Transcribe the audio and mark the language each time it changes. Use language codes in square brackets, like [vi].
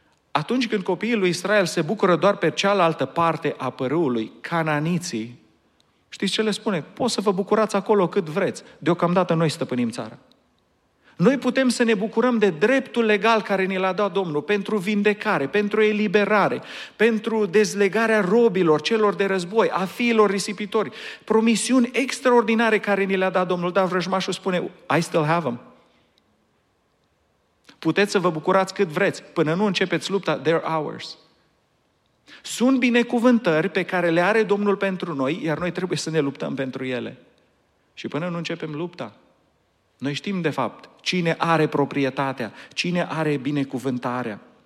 [ro] Atunci când copiii lui Israel se bucură doar pe cealaltă parte a părâului, cananiții, știți ce le spune? Poți să vă bucurați acolo cât vreți. Deocamdată noi stăpânim țara. Noi putem să ne bucurăm de dreptul legal care ni l-a dat Domnul pentru vindecare, pentru eliberare, pentru dezlegarea robilor, celor de război, a fiilor risipitori. Promisiuni extraordinare care ni le-a dat Domnul. Dar vrăjmașul spune, [en] I still have them. [ro] Puteți să vă bucurați cât vreți, până nu începeți lupta, [en] they're ours. [ro] Sunt binecuvântări pe care le are Domnul pentru noi, iar noi trebuie să ne luptăm pentru ele. Și până nu începem lupta, noi știm de fapt cine are proprietatea, cine are binecuvântarea.